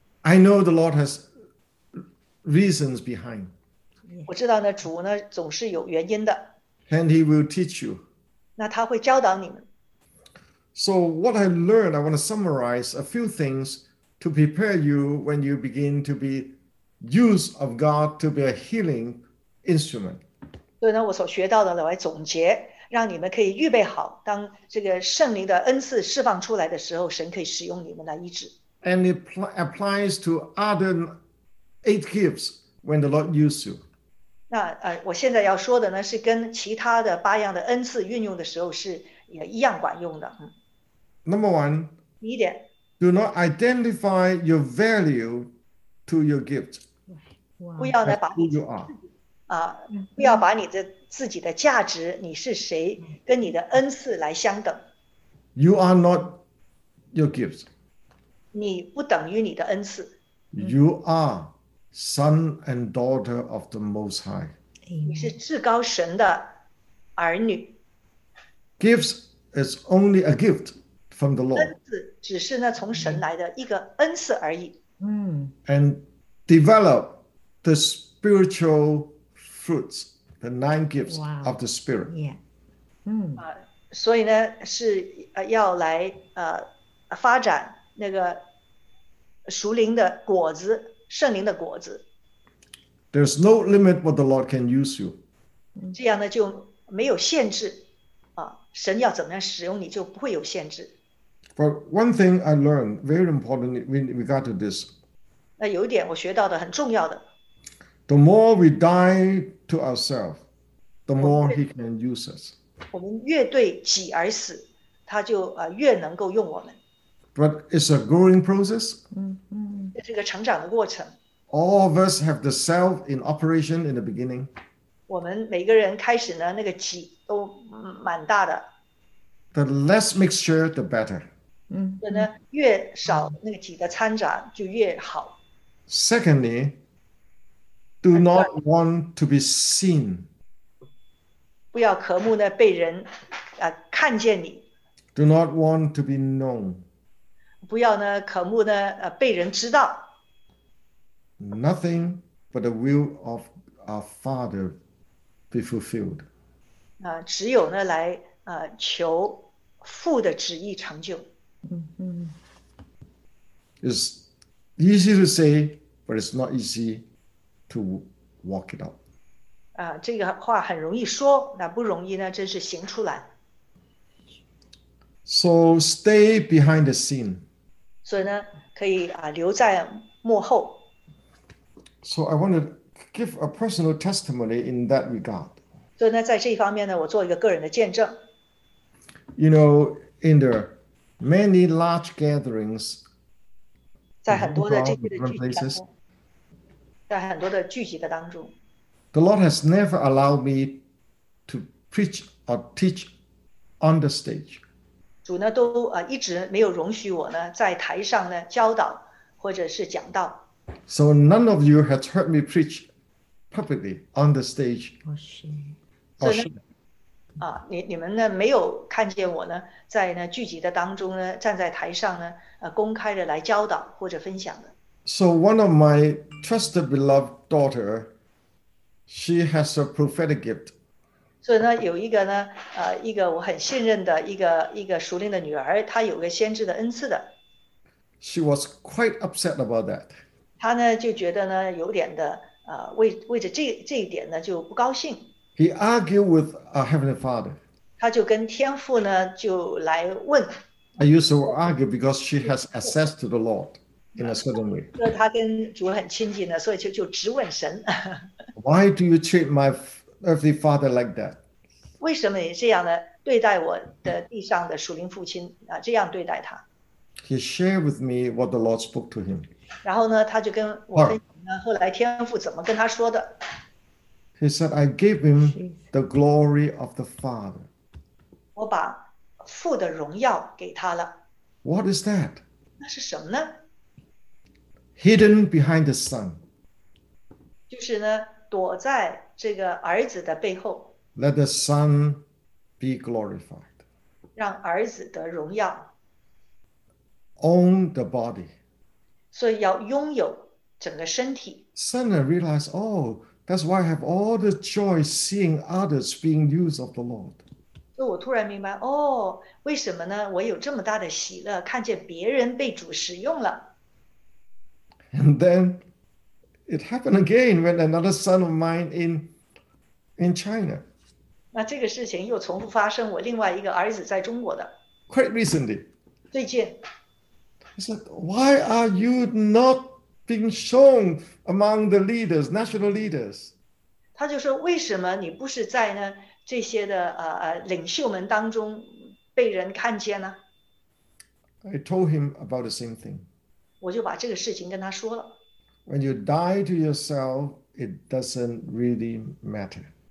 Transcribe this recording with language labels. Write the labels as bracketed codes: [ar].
[en] I know the Lord has reasons behind. [zh] 我知道呢，主呢总是有原因的。 [en] And he will teach you. [zh] 那他会教导你们。 [en] So what I learned, I want to summarize a few things to prepare you when you begin to be use of God to be a healing instrument. [zh] 所以呢，我所学到的来总结，让你们可以预备好，当这个圣灵的恩赐释放出来的时候，神可以使用你们来医治。 [en] And it applies to other 8 gifts when the Lord uses you. [zh] 那我现在要说的呢，是跟其他的八样的恩赐运用的时候是也一样管用的。 [en] Number 1. [zh] 第一点， [en] Do not identify your value to your gift. Wow. [zh] 不要呢，把你的自己的价值，你是谁，跟你的恩赐来相等。 [en] You are not your gifts. [zh] 你不等于你的恩赐。 [en] You are son and daughter of the Most High. [zh] 你是至高神的儿女。 [en] Gifts is only a gift from the Lord. [zh] 恩赐只是呢从神来的一个恩赐而已。 [en] And develop the spiritual fruits, the nine gifts of the Spirit. Yeah. [zh] 所以呢是要来发展那个属灵的果子，圣灵的果子。 [en] There's no limit what the Lord can use you. [zh] 这样呢就没有限制啊，神要怎么样使用你就不会有限制。 [en] But one thing I learned very important in regard to this. [zh] 那有一点我学到的很重要的。 [en] The more we die to ourselves, the more He can use us. [zh] 我们越对己而死，他就越能够用我们。 [en] But it's a growing process. [zh] 这是个成长的过程。 [en] All of us have the self in operation in the beginning. [zh] 我们每个人开始呢，那个己都蛮大的。 [en] The less mixture, the better. [zh] 所以呢，越少那个己的掺杂就越好。 [en] Secondly, do not want to be seen. [zh] 不要渴慕呢被人看见你。 [en] Do not want to be known. [zh] 不要呢渴慕呢被人知道。 [en] Nothing but the will of our Father be fulfilled. [zh] 只有呢来求父的旨意成就。 [en] It's easy to say, but it's not easy to walk it out. [zh] 这个话很容易说，那不容易呢，真是行出来。 [en] So stay behind the scene. [zh] 所以呢，可以留在幕后。 [en] So I want to give a personal testimony in that regard. [zh] 所以呢，在这一方面呢，我做一个个人的见证。 [en] You know, in the many large gatherings, [zh] 在很多的这些的聚集当中，在很多的聚集的当中 [en] ，the Lord has never allowed me to preach or teach on the stage. [zh] 主呢都一直没有容许我呢在台上呢教导或者是讲道。 [en] So none of you has heard me preach publicly on the stage. [zh] 不是，你们呢没有看见我呢在呢聚集的当中呢站在台上呢公开的来教导或者分享的。 [en] So one of my trusted beloved daughter, she has a prophetic gift. [zh] 所以呢有一个呢一个我很信任的一个属灵的女儿，她有个先知的恩赐的。 [en] She was quite upset about that. [zh] 她呢就觉得呢有点的为着这一点呢就不高兴。 [en] He argued with our Heavenly Father. [zh] 他就跟天父呢就来问。 [en] I used to argue because she has access to the Lord in a certain way. [zh] 他跟主很亲近的，所以就直问神。 [en] Why do you treat my earthly father like that? [zh] 为什么你这样的对待我的地上的属灵父亲啊？这样对待他。 [en] He shared with me what the Lord spoke to him. [zh] 然后呢，他就跟我分享呢，后来天父怎么跟他说的。 [en] He said, I gave him the glory of the Father. [zh] 我把父的荣耀给他了。 [en] What is that? [zh] 那是什么呢？ [en] Hidden behind the Son. [zh] 就是呢，躲在这个儿子的背后。 [en] Let the Son be glorified. [zh] 让儿子得荣耀。 [en] Own the body. [zh] 所以要拥有整个身体。 [en] Suddenly realize, oh,That's why I have all the joy seeing others being used of the Lord. [zh] 所以我突然明白，哦，为什么呢？我有这么大的喜乐，看见别人被主使用了。 [en] And then it happened again when another son of mine in China. [zh] 那这个事情又重复发生，我另外一个儿子在中国的。 [en] Quite recently. [zh] 最近。 [en] He said, "Why are you not?" Being shown among the leaders, national leaders. [zh] 他就说为什么你不是在呢这些的领袖们当中被人看见呢？ [en] I told him about the same thing. [zh] 我就把这个事情跟他说了。 [en] When you die to yourself, it doesn't really matter.